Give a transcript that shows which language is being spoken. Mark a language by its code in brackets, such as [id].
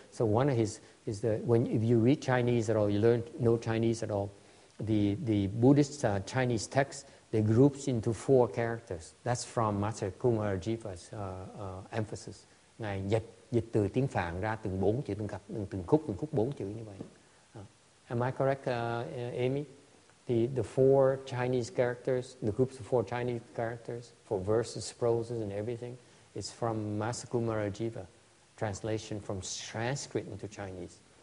[en] So one of his is the, when if you read Chinese at all, you learn no Chinese at all, the Buddhist Chinese text, they groups into four characters. That's from Master Kumara Jiva's emphasis. [vi] Ngài dịch từ tiếng Phạn ra từng bốn chữ, từng khúc bốn chữ như vậy. [en] Am I correct, Amy? The four Chinese characters, the groups of four Chinese characters for verses, proses, and everything, is from Master Kumara Jiva, translation from Sanskrit into Chinese.